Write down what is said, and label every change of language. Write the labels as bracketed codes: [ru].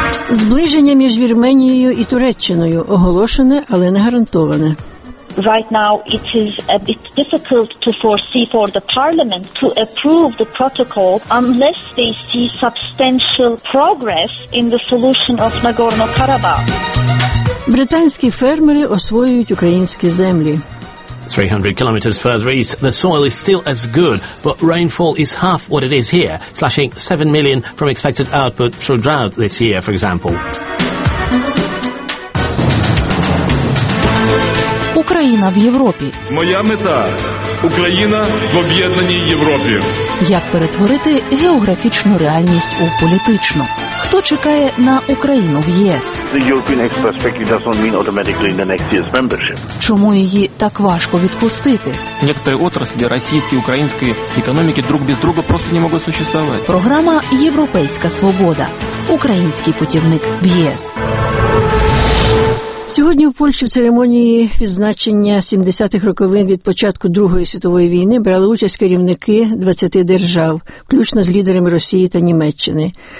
[uk] Zbliżenie між Вірменією і Туреччиною оголошене, але не гарантоване. [en] Right now it is a bit difficult to foresee for the parliament to approve the protocol unless they see substantial progress in the solution of Nagorno-Karabakh. [uk] Британські фермери освоюють українські землі. [en] 300 kilometers further east, the soil is still as good, but rainfall is half what it is here, slashing 7 million from expected output through drought this year, for example. [uk] Україна в Європі. Моя мета – Україна в об'єднаній Європі. Як перетворити географічну реальність у політичну? Хто чекає на Україну в ЄС? [en] The European Express perspective doesn't mean automatically the next year's membership. [uk] Чому її так важко відпустити? Некоторі отраслі російської, української економіки друг без друга просто не можуть существувати. Програма «Європейська свобода». Український путівник в ЄС. Сьогодні в Польщі в церемонії відзначення 70-х роковин від початку Другої світової війни брали участь керівники 20 держав, включно з лідерами Росії та Німеччини.